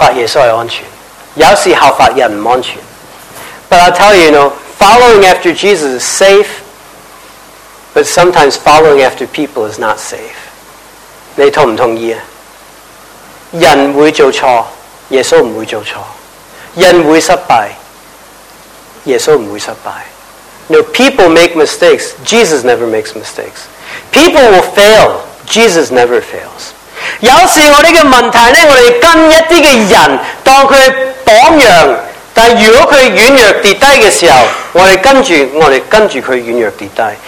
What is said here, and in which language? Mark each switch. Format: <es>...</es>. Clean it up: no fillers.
<yue>但你知道呢，信靠耶稣是安全，效法耶稣是安全，有时效法人不安全。</yue> <en>But I'll tell you, you know, following after Jesus is safe, but sometimes following after people is not safe.</en> <yue>你同不同意啊？人会做错，耶稣不会做错。人会失败，耶稣不会失败。</yue> <en>No, people make mistakes. Jesus never makes mistakes. People will fail. Jesus never fails.</en> <yue>有时我哋嘅问题咧，我哋跟一啲嘅人当佢榜样，但如果佢软弱跌低嘅时候，我哋跟住佢软弱跌低。</yue>